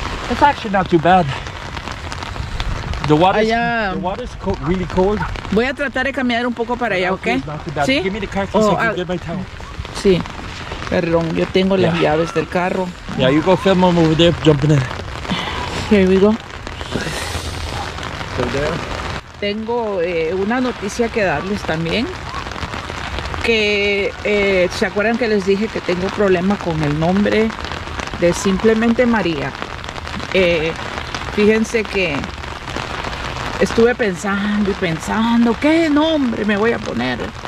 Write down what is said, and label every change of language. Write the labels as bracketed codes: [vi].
[en] It's actually not too bad. The water is really cold. [es] Voy a tratar de caminar un poco para allá, ¿ok? ¿Sí? [en] Give me the car keys so I can get my towel. [es] Sí. Perdón, yo tengo las llaves del carro. [en] Yeah, you go film them over there, jumping in. Here we go. So there. [es] Tengo una noticia que darles también, que se acuerdan que les dije que tengo problema con el nombre de simplemente María. Fíjense que estuve pensando y pensando qué nombre me voy a poner.